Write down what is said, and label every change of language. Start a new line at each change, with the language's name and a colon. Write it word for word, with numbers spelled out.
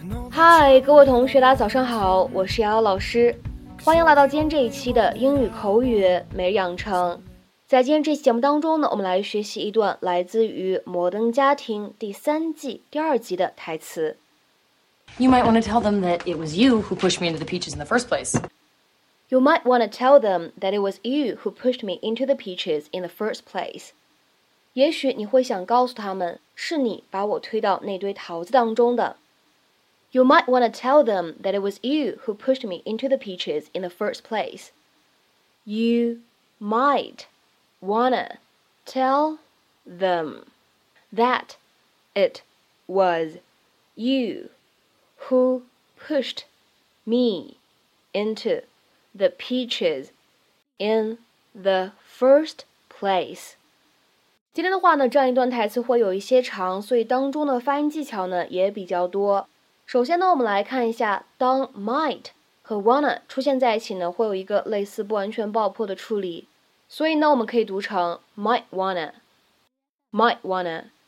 Chinese: 嗨，各位同学，大家早上好，我是瑶瑶老师，欢迎来到今天这一期的英语口语每日养成。在今天这期节目当中呢，我们来学习一段来自于《摩登家庭》第三季第二集的台词。
English: You might want to tell them that it was you who pushed me into the peaches in the first place. You might want to tell them that it was you who pushed me into the peaches in the first place.
Chinese: 也许你会想告诉他们，是你把我推到那堆桃子当中的。
English: You might want to tell them that it was you who pushed me into the peaches in the first place. You might wanna tell them that it was you who pushed me into the peaches in the first place.
Chinese: 今天的话呢，这样一段台词会有一些长，所以当中的发音技巧呢也比较多。首先呢，我们来看一下，当 might 和 wanna 出现在一起呢，会有一个类似不完全爆破的处理，所以呢，我们可以读成 might wanna, might wanna。